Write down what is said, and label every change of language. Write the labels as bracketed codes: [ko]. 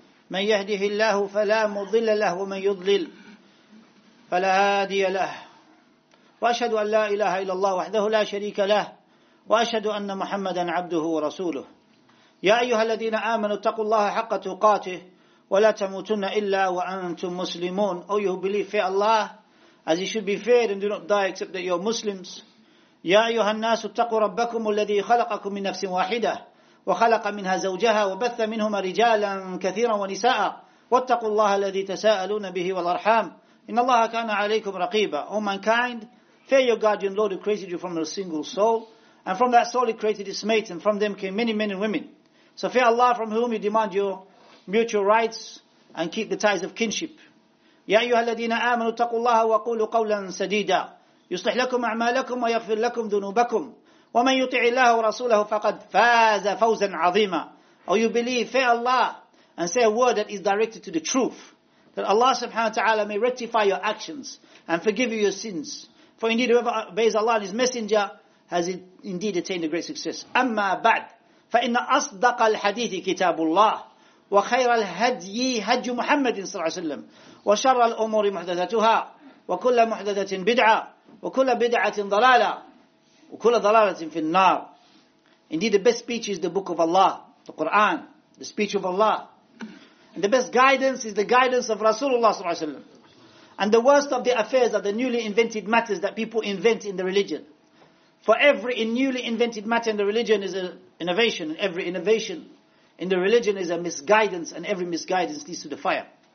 [ar] من يهده الله فلا مضل له ومن يضلل فلا هادي له. وأشهد أن لا إله إلا الله وحده لا شريك له وأشهد أن محمدا عبده ورسوله. يا أيها الذين آمنوا اتقوا الله حق تقاته ولا تموتن إلا وأنتم مسلمون. [en] Oh, you believe, fear Allah as you should be feared and do not die except that you're Muslims. [ar] يا أيها الناس اتقوا ربكم الذي خلقكم من نفس واحدة وخلق منها زوجها وبث منهما رجالا كثيرا ونساء واتقوا الله الذي تساءلون به والأرحام إن الله كان عليكم رقيبا. [en] Oh mankind, fear your guardian Lord who created you from a single soul, and from that soul he created his mate, and from them came many men and women. So fear Allah from whom you demand your mutual rights and keep the ties of kinship. [ar] يا أيها الذين آمنوا اتقوا الله وقولوا قولا سديدا يصلح لكم أعمالكم ويغفر لكم ذنوبكم ومن يطع الله ورسوله فقد فاز فوزا عظيما. [en] Or you believe, fear Allah and say a word that is directed to the truth, that Allah subhanahu wa ta'ala may rectify your actions and forgive you your sins. For indeed whoever obeys Allah and His Messenger has indeed attained a great success. [ar] أما بعد فإن أصدق الحديث كتاب الله وخير الهدي هدي محمد صلى الله عليه وسلم وشر الأمور محدثاتها وكل محدثة بدعة وكل بدعة ضلالة وكل ضلالة في النار. [en] Indeed the best speech is the book of Allah, the Quran, the speech of Allah. And the best guidance is the guidance of Rasulullah [ar] صلى الله عليه وسلم. [en] And the worst of the affairs are the newly invented matters that people invent in the religion. For every newly invented matter in the religion is an innovation, and every innovation in the religion is a misguidance, and every misguidance leads to the fire.